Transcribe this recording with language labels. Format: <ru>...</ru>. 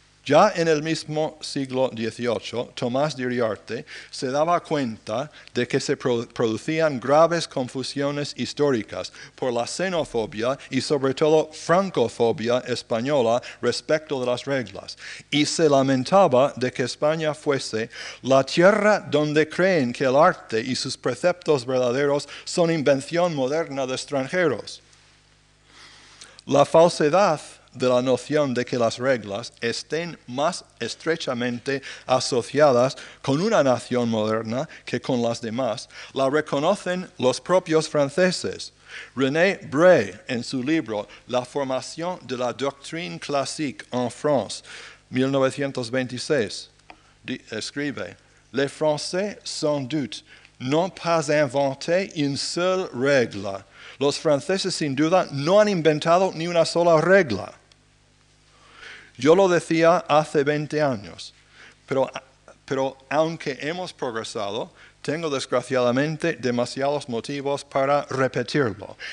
<es>Ya en el mismo siglo XVIII, Tomás de Iriarte se daba cuenta de que se producían graves confusiones históricas por la xenofobia y sobre todo francofobia española respecto de las reglas, y se lamentaba de que España fuese la tierra donde creen que el arte y sus preceptos verdaderos son invención moderna de extranjeros. La falsedad de la noción de que las reglas estén más estrechamente asociadas con una nación moderna que con las demás, la reconocen los propios franceses.</es> <fr>René Bray,</fr> <es>en su libro</es> <fr>La formation de la doctrine classique en France, 1926,</fr> <es>escribe:</es> <fr>«Les Français, sans doute, n'ont pas inventé une seule règle».</fr> <es>Los franceses, sin duda, no han inventado ni una sola regla. Yo lo decía hace 20 años, pero aunque hemos progresado, tengo desgraciadamente demasiados motivos para repetirlo.</es>